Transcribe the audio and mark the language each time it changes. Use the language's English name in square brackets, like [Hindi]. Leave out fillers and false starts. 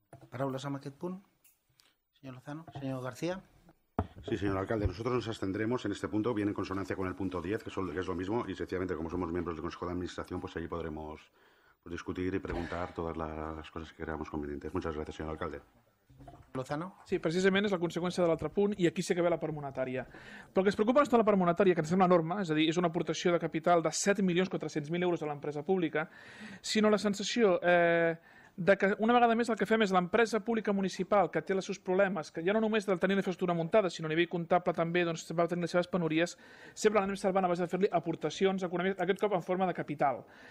[Catalan] Paraules amb aquest punt, senyor Lozano. Senyor García. [Spanish] Sí, señor alcalde, nosotros nos abstendremos en este punto, viene en consonancia con el punto 10, que es lo mismo, y sencillamente como somos miembros del Consejo de Administración, pues allí podremos discutir y preguntar todas las cosas que creamos convenientes. Muchas gracias, señor alcalde. Lozano. [Catalan] Sí, precisament és la conseqüència de l'altre punt i aquí sí que ve la part monetària. Però que es preocupa no està la part monetària, que ens sembla norma, és a dir, és una aportació de capital de 7.400.000 euros a l'empresa pública, sinó la sensació de que una vegada més el que fem és l'empresa pública municipal, que té els seus problemes, que ja no només de tenir l'infraestructura muntada, sinó a nivell comptable també doncs, va tenir les seves penories, sempre l'anem salvant a base de fer-li aportacions econòmiques, aquest cop en forma de capital.